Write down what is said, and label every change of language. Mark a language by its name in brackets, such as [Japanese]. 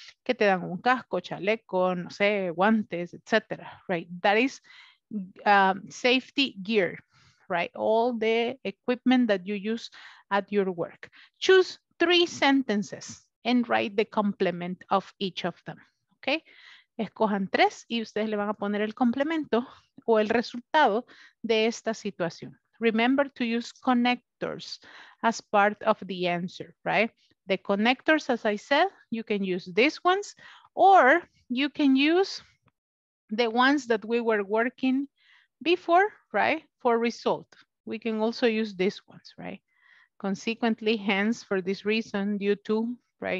[Spanish] Que te dan un casco, chaleco, no sé, guantes, etc., [English] right? That is safety gear, right? All the equipment that you use at your work. Choose three sentences and write the complement of each of them, okay? [Spanish] Escojan tres y ustedes le van a poner el complemento o el resultado de esta situación. [English] Remember to use connectors as part of the answer, right? The connectors, as I said, you can use these ones, or you can use the ones that we were working before, right? For result, we can also use these ones, right? Consequently, hence, for this reason, due to, right?